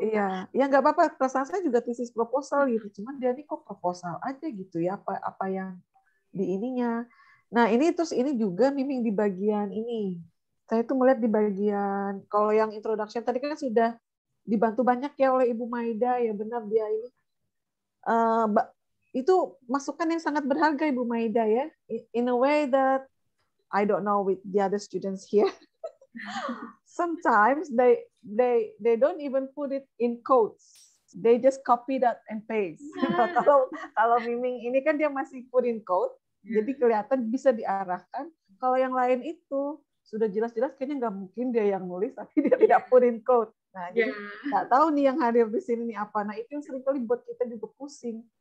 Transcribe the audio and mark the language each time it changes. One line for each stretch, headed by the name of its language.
Indonesian: Iya, ya nggak apa-apa, perasaan saya juga thesis proposal gitu, cuman dia ini kok proposal aja gitu ya, apa yang di ininya. Nah, ini terus ini juga miming di bagian ini. Saya tuh melihat di bagian, kalau yang introduction tadi kan sudah dibantu banyak ya oleh Ibu Maida, ya benar dia ini. Itu masukan yang sangat berharga, Ibu Maida ya.
English: In a way that, I don't know with the other students here. Sometimes they don't even put it in quotes. They just copy that and paste. Yeah.
Indonesian: kalau miming ini kan dia masih
English: put in quote,
Indonesian: jadi kelihatan bisa diarahkan. Kalau yang lain itu, sudah jelas-jelas kayaknya nggak mungkin dia yang nulis, tapi dia tidak
English: put in quote.
Indonesian: Nah, nggak tahu nih yang hadir di sini nih apa. Nah, itu yang seringkali buat kita juga pusing.